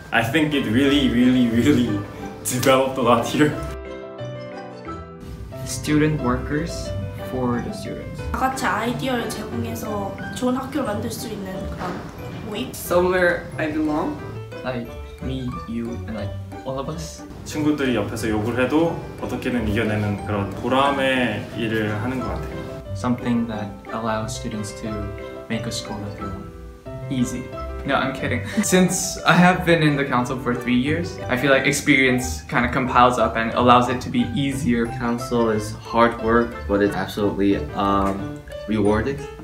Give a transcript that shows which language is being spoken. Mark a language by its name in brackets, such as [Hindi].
[English] I think it really, really, really developed a lot here. Student workers for the students. Somewhere I belong. Like me, you, and like all of us. [Korean] 친구들이 옆에서 욕을 해도 어떻게든 이겨내는 그런 보람의 일을 하는 것 같아요. [English] Something that allows students to make a school that they want. Easy. No, I'm kidding. Since I have been in the council for 3 years, I feel like experience kind of compiles up and allows it to be easier. Council is hard work, but it's absolutely rewarded.